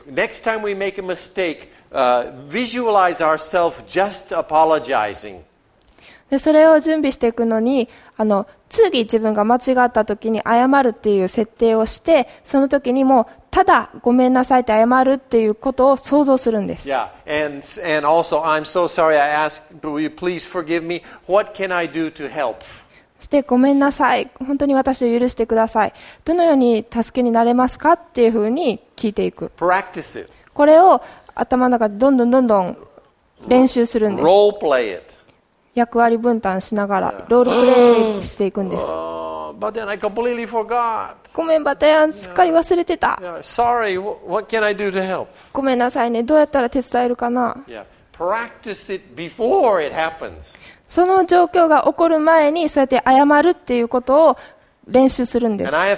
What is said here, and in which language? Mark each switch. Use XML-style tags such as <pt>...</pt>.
<en>Next time we make a mistakeVisualize ourselves just apologizing.</en> <ja>で、それを準備していくのに、次自分が間違った時に謝るっていう設定をして、その時にもただごめんなさいって謝るっていうことを想像するんです。</ja> <en>Yeah, and also I'm so sorry I asked, but will you please forgive me? What can I do to help?</en> <ja>そしてごめんなさい、本当に私を許してください、どのように助けになれますかっていうふうに聞いていく。</ja> <en>Practice it.</en> <ja>これを頭の中でどんどんどんどん練習するんです。</ja> <en>Role play it.</en> <ja>役割分担しながらロールプレイしていくんです。</ja> <en>But then I completely forgot.</en> <ja>ごめん、バタヤン、すっかり忘れてた。</ja> <en>Sorry, what can I do to help?</en> <ja>ごめんなさいね、どうやったら手伝えるかな。</ja> <en>Practice it before it happens.</en> <ja>その状況が起こる前にそうやって謝るっていうことを練習するんです。</ja>